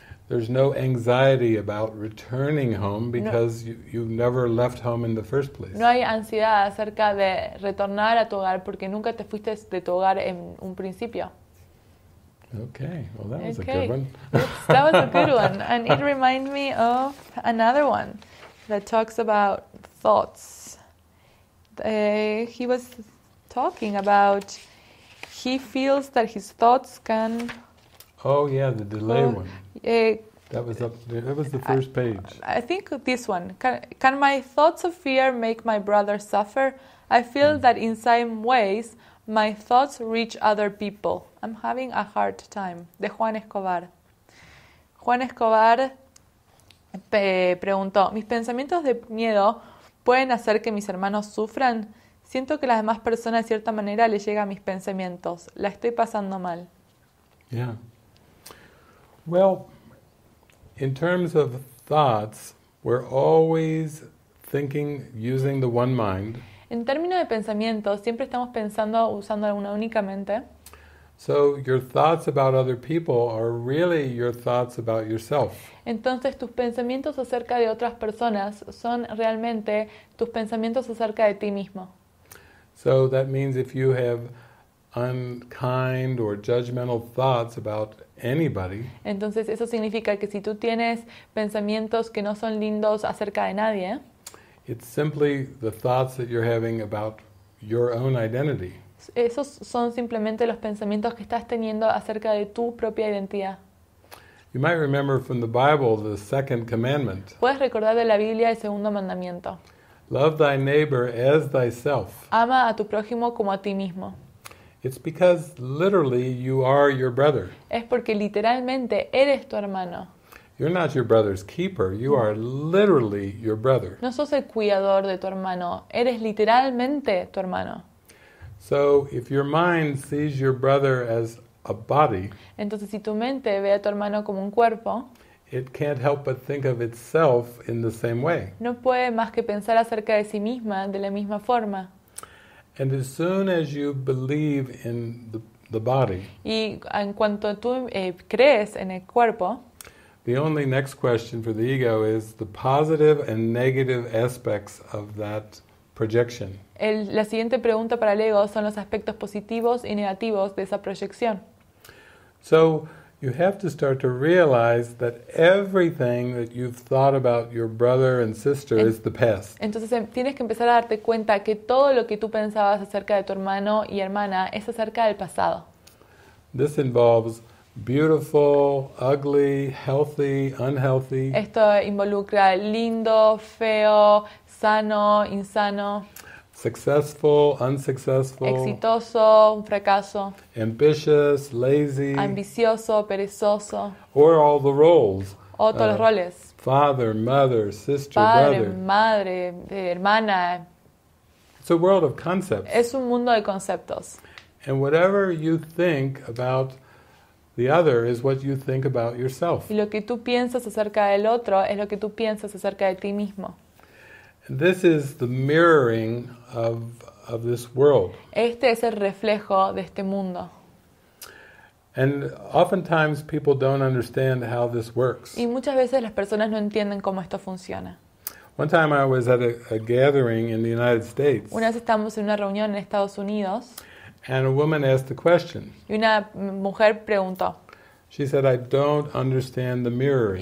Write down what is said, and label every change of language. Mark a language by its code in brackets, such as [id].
[en] There's no anxiety about returning home because you never left home in the first place. [es] No hay ansiedad acerca de retornar a tu hogar porque nunca te fuiste de tu hogar en un principio. [en] Okay, well that was okay. A good one. Oops, that was a good one. And it reminded me of another one that talks about thoughts. He was talking about he feels that his thoughts can... Oh yeah, the delay one. That was up there. That was the first page. I think this one. Can my thoughts of fear make my brother suffer? I feel that in some ways my thoughts reach other people. I'm having a hard time. De Juan Escobar. [es] Juan Escobar preguntó, ¿mis pensamientos de miedo pueden hacer que mis hermanos sufran? Siento que las demás personas de cierta manera les llega a mis pensamientos. La estoy pasando mal. [en] Yeah. Well, in terms of thoughts, we're always thinking using the one mind. [es] En términos de pensamiento, siempre estamos pensando usando una única mente. [en] So your thoughts about other people are really your thoughts about yourself. [es] Entonces tus pensamientos acerca de otras personas son realmente tus pensamientos acerca de ti mismo. [en] So that means if you have unkind or judgmental thoughts about anybody. [es] Entonces eso significa que si tú tienes pensamientos que no son lindos acerca de nadie. [en] It's simply the thoughts that you're having about your own identity. [es] Esos son simplemente los pensamientos que estás teniendo acerca de tu propia identidad. [en] You might remember from the Bible the second commandment. [es] Puedes recordar de la Biblia el segundo mandamiento. [en] Love thy neighbor as thyself. [es] Ama a tu prójimo como a ti mismo. [en] It's because literally you are your brother. [es] Es porque literalmente eres tu hermano. [en] You're not your brother's keeper. You are literally your brother. [es] No sos el cuidador de tu hermano. Eres literalmente tu hermano. [en] So if your mind sees your brother as a body, [es] entonces si tu mente ve a tu hermano como un cuerpo, [en] it can't help but think of itself in the same way. [es] No puede más que pensar acerca de sí misma de la misma forma. [en] And as soon as you believe in the body, [es] y en cuanto tú crees en el cuerpo, [en] the only next question for the ego is the positive and negative aspects of that projection. [es] La siguiente pregunta para el ego son los aspectos positivos y negativos de esa proyección. [en] So you have to start to realize that everything that you've thought about your brother and sister is the past. [es] Entonces tienes que empezar a darte cuenta que todo lo que tú pensabas acerca de tu hermano y hermana es acerca del pasado. [en] This involves beautiful, ugly, healthy, unhealthy. [es] Esto involucra lindo, feo, sano, insano. [en] Successful, unsuccessful. [es] Exitoso, un fracaso. [en] Ambitious, lazy. [es] Ambicioso, perezoso. [en] Or all the roles. [es] O todos los roles. [en] Father, mother, sister, [es] padre, [en] brother. [es] Madre, hermana. [en] It's a world of concepts. [es] Es un mundo de conceptos. [en] And whatever you think about the other is what you think about yourself. [es] Y lo que tú piensas acerca del otro es lo que tú piensas acerca de ti mismo. [en] This is the mirroring of this world. [es] Este es el reflejo de este mundo. [en] And oftentimes people don't understand how this works. [es] Y muchas veces las personas no entienden cómo esto funciona. [en] One time I was at a gathering in the United States. [es] Una vez estábamos en una reunión en Estados Unidos. [en] And a woman asked the question. [es] Y una mujer preguntó. [en] She said, "I don't understand the mirroring."